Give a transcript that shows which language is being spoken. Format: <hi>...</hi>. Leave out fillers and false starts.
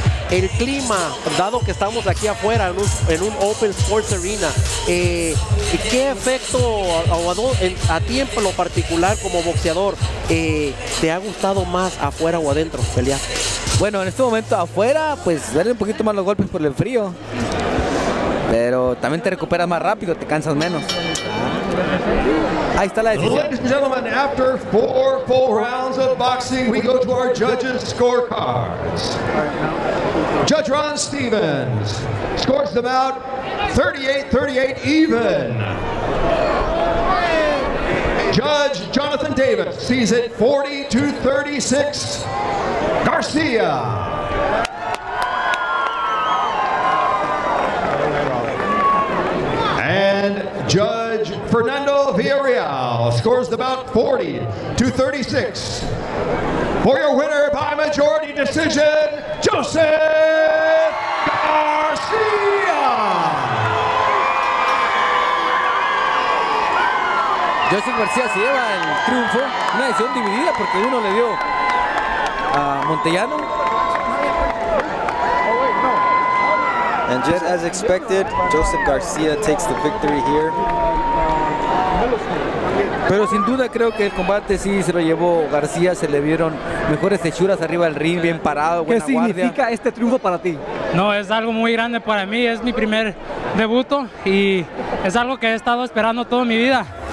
<es>El clima, dado que estamos aquí afuera en un Open Sports Arena, ¿qué efecto a ti en lo particular como boxeador te ha gustado más afuera o adentro pelear? Bueno, en este momento afuera, pues darle un poquito más los golpes por el frío, pero también te recuperas más rápido, te cansas menos. Ahí está la decisión.</es> <en>Ladies and gentlemen, after 4 full rounds of boxing, we go to our judges' scorecards. Judge Ron Stevens scores them out 38-38 even. Judge Jonathan Davis sees it 42-36 Garcia. And Judge Fernando Villarreal scores the bout 40-36. For your winner by majority decision, Joseph Garcia.</en> <es>Joseph Garcia se lleva el triunfo. Una decisión dividida porque uno le dio a Montellano.</es> <en>And just as expected, Joseph Garcia takes the victory here.</en> <es>Pero sin duda creo que el combate sí se lo llevó García. Se le vieron mejores hechuras arriba del ring, bien parado, buena guardia. ¿Qué significa este triunfo para ti? No, es algo muy grande para mí. Es mi primer debuto y es algo que he estado esperando toda mi vida.</es>